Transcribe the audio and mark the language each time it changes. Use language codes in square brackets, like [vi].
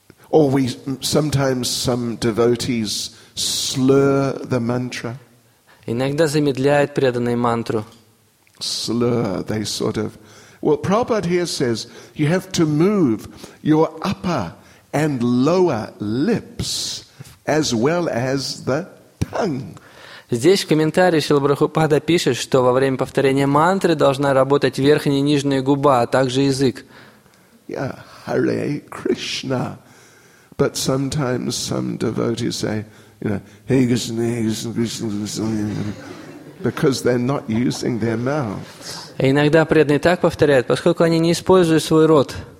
[en] Or we sometimes some devotees slur the mantra. [ru] Иногда замедляют преданные мантру. [en] Slur, they sort of. Well, Prabhupada here says you have to move your upper and lower lips as well as the tongue. [ru] Здесь в комментарии Шрила Прабхупада пишет, что во время повторения мантры должна работать верхняя и нижняя губа, а также язык. [en] Yeah, Hare Krishna. But sometimes some devotees say, you know, Hare Krishna, Hare Krishna, Krishna Krishna, because they're not using their mouths. [ru] Иногда преданные так повторяют, поскольку они не используют свой рот.